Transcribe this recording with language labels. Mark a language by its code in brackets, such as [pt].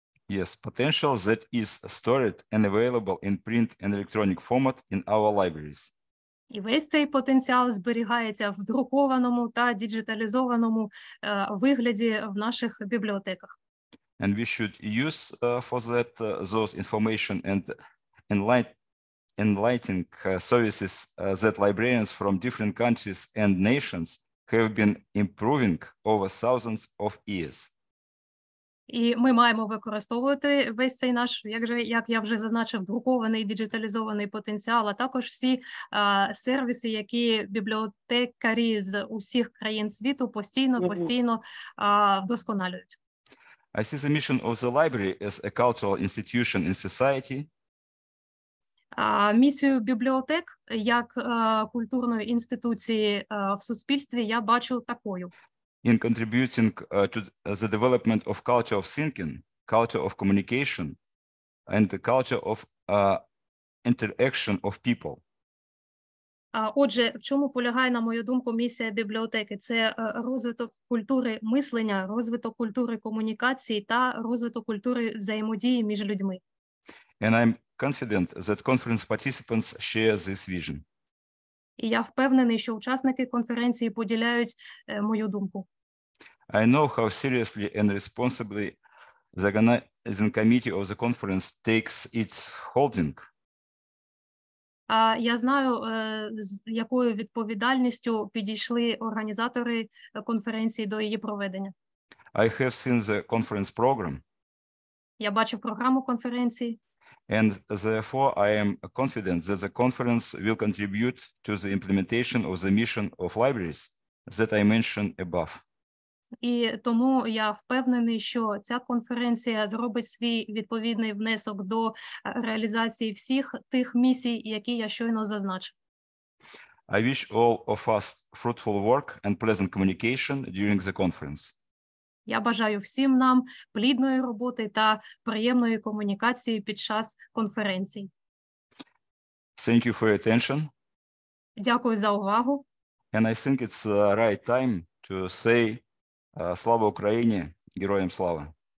[en] Yes, potential that is stored and available in print and electronic format in our libraries. [uk] І весь цей потенціал зберігається в друкованому та діджиталізованому вигляді в наших бібліотеках. [en] And we should use for that those information and enlightening services that librarians from different countries and nations have been improving over thousands of years. [uk] І ми маємо використовувати весь цей наш, як я вже зазначив, друкований, діджиталізований потенціал, а також всі сервіси, які бібліотекарі з усіх країн світу постійно вдосконалюють. [en] I see the mission of the library as a cultural institution in society. [uk] Місію бібліотек як культурної інституції в суспільстві я бачу такою. [en] In contributing to the development of culture of thinking, culture of communication, and the culture of interaction of people. [uk] Отже, в чому полягає, на мою думку, місія бібліотеки? Це розвиток культури мислення, розвиток культури комунікації та розвиток культури взаємодії між людьми. [en] And I'm confident that conference participants share this vision. [uk] І я впевнений, що учасники конференції поділяють мою думку. [en] I know how seriously and responsibly the organizing committee of the conference takes its holding. [uk] Я знаю, з якою відповідальністю підійшли організатори конференції до її проведення. [en] I have seen the conference program. [uk] Я бачив програму конференції. [en] And therefore I am confident that the conference will contribute to the implementation of the mission of libraries that I mentioned above. [uk] І тому я впевнений, що ця конференція зробить свій відповідний внесок до реалізації всіх тих місій, які я щойно зазначив. [en] I wish all of us fruitful work and pleasant communication during the conference. [uk] Я бажаю всім нам плідної роботи та приємної комунікації під час конференції. [en] Thank you for your attention. [uk] Дякую за увагу. [en] And I think it's the right time to say [uk] слава Україні, героям слава.